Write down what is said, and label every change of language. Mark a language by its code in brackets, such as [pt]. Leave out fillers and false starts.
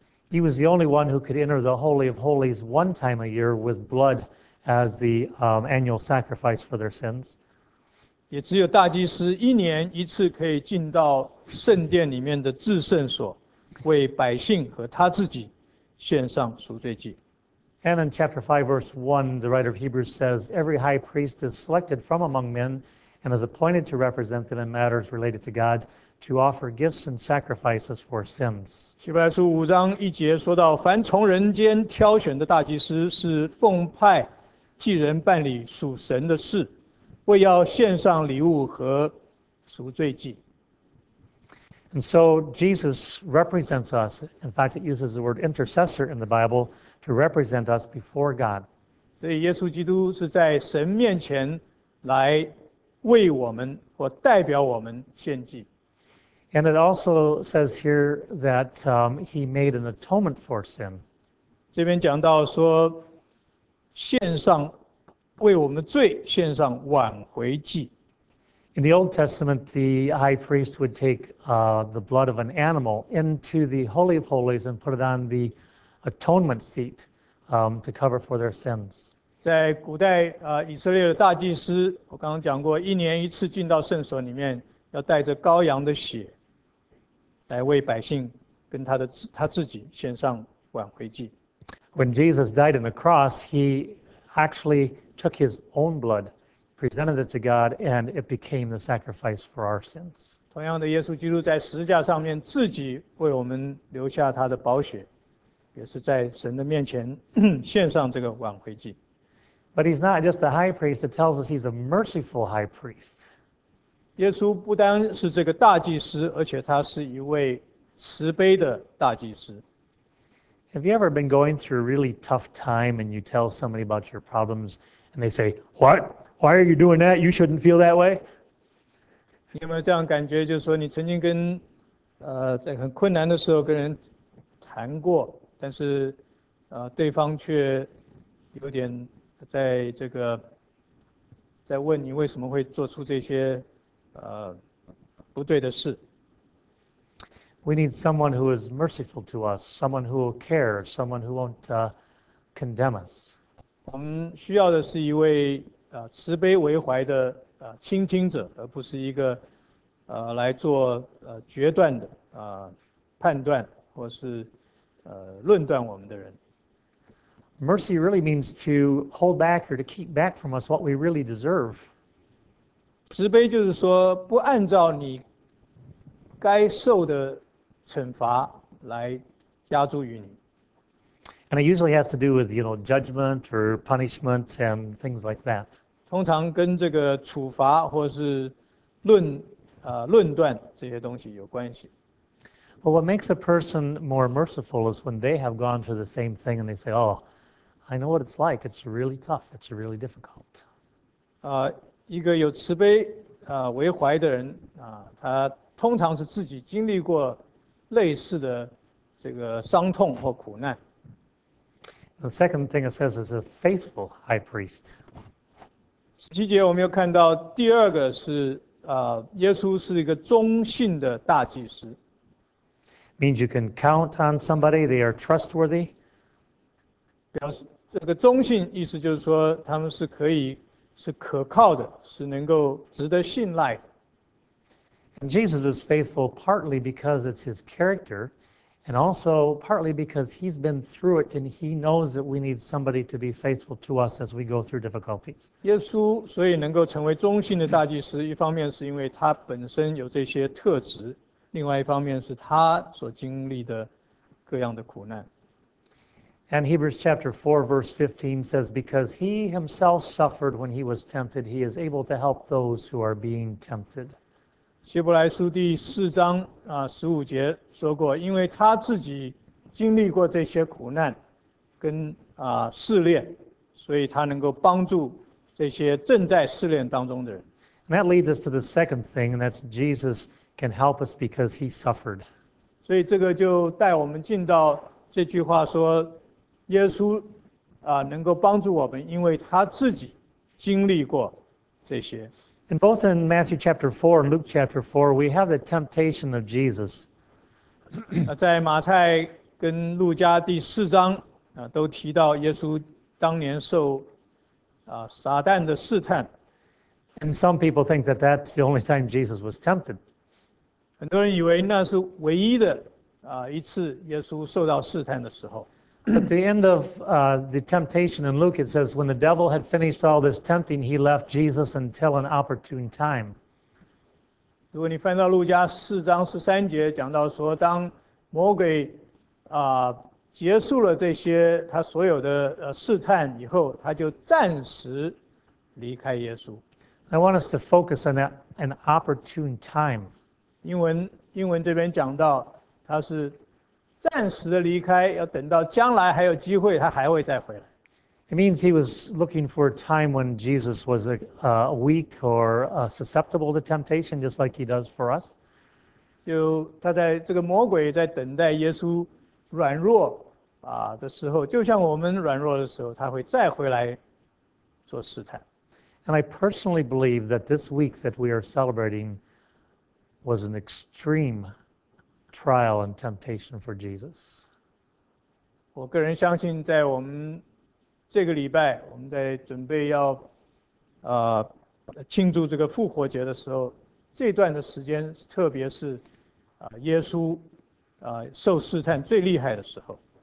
[en] He was the only one who could enter the Holy of Holies one time a year with blood as the annual sacrifice for their sins. [zh] 也只有大祭司一年一次可以进到圣殿里面的至圣所，为百姓和他自己献上赎罪祭。 [en] And in chapter 5, verse 1, the writer of Hebrews says, every high priest is selected from among men and is appointed to represent them in matters related to God to offer gifts and sacrifices for sins. [zh] 希伯来书五章一节说到，凡从人间挑选的大祭司是奉派替人办理属神的事，为要献上礼物和赎罪祭。 [en] And so Jesus represents us. In fact, it uses the word intercessor in the Bible to represent us before God. [zh] 所以耶稣基督是在神面前来为我们或代表我们献祭。 [en] And it also says here that he made an atonement for sin. [zh] 这边讲到说献上为我们的罪献上挽回祭。 [en] In the Old Testament, the high priest would take the blood of an animal into the Holy of Holies and put it on the atonement seat to cover for their sins. [zh] 在古代，以色列的大祭司，我刚刚讲过，一年一次进到圣所里面，要带着羔羊的血来为百姓跟他自己献上挽回祭。 [en] When Jesus died on the cross, he actually took his own blood. Presented it to God, and it became the sacrifice for our sins. [zh] 同样的，耶稣基督在十字架上面自己为我们留下他的宝血，也是在神的面前献上这个挽回祭。 [en] But he's not just a high priest; it tells us he's a merciful high priest. [zh] 耶稣不单是这个大祭司，而且他是一位慈悲的大祭司。 [en] Have you ever been going through a really tough time, and you tell somebody about your problems, and they say, "What?" Why are you doing that? You shouldn't feel that way. [zh] 你有没有这样感觉？就是说，你曾经跟在很困难的时候跟人谈过，但是对方却有点在这个在问你为什么会做出这些不对的事。 [en] We need someone who is merciful to us, someone who will care, someone who won't condemn us. [zh] 我们需要的是一位慈悲为怀的倾听者，而不是一个来做决断的判断或是论断我们的人。 [en] Mercy really means to hold back or to keep back from us what we really deserve. [zh] 慈悲就是说不按照你该受的惩罚来加诸于你。 [en] And it usually has to do with, you know, judgment or punishment and things like that. [zh] 通常跟这个处罚或是论论断这些东西有关系。 [en] Well, what makes a person more merciful is when they have gone through the same thing and they say, oh, I know what it's like. It's really tough. It's really difficult. [zh] 一个有慈悲为怀的人他通常是自己经历过类似的这个伤痛或苦难。 [en] The second thing it says is a faithful high priest. [zh] 十七节我们又看到第二个是耶稣是一个忠信的大祭司。 [en] Means you can count on somebody, they are trustworthy. [zh] 表示这个忠信意思就是说他们是可以是可靠的是能够值得信赖的。 [en] And Jesus is faithful partly because it's his character, and also partly because he's been through it and he knows that we need somebody to be faithful to us as we go through difficulties. [zh] 耶稣所以能够成为忠信的大祭司，一方面是因为他本身有这些特质，另外一方面是他所经历的各样的苦难。 [en] And Hebrews chapter 4 verse 15 says, because he himself suffered when he was tempted, he is able to help those who are being tempted. [zh] 希伯来书第四章十五节说过，因为他自己经历过这些苦难跟试炼，所以他能够帮助这些正在试炼当中的人。 [en] And that leads us to the second thing, and that's Jesus can help us because he suffered. [zh] 所以这个就带我们进到这句话说，耶稣能够帮助我们，因为他自己经历过这些。 [en] And both in Matthew chapter 4 and Luke chapter 4, we have the temptation of Jesus. [zh] 在马太跟路加第四章都提到耶稣当年受撒旦的试探。 [en] And some people think that that's the only time Jesus was tempted. [zh] 很多人以为那是唯一的一次耶稣受到试探的时候。 [en] At the end of the temptation in Luke, it says, when the devil had finished all this tempting, he left Jesus until an opportune time. [zh] 如果你翻到路加四章十三节，讲到说，当魔鬼结束了这些他所有的试探以后，他就暂时离开耶稣。 [en] I want us to focus on an opportune time. [zh] 英文这边讲到，他是暂时的离开，要等到将来还有机会，他还会再回来。 [en] It means he was looking for a time when Jesus was weak or susceptible to temptation, just like he does for us. [zh] 就他在这个魔鬼在等待耶稣软弱的时候，就像我们软弱的时候，他会再回来做试探。 [en] And I personally believe that this week that we are celebrating was an extreme trial and temptation for Jesus. [zh] 我个人相信在我们这个礼拜我们在准备要庆祝这个复活节的时候，这段的时间特别是耶稣受试探最厉害的时候。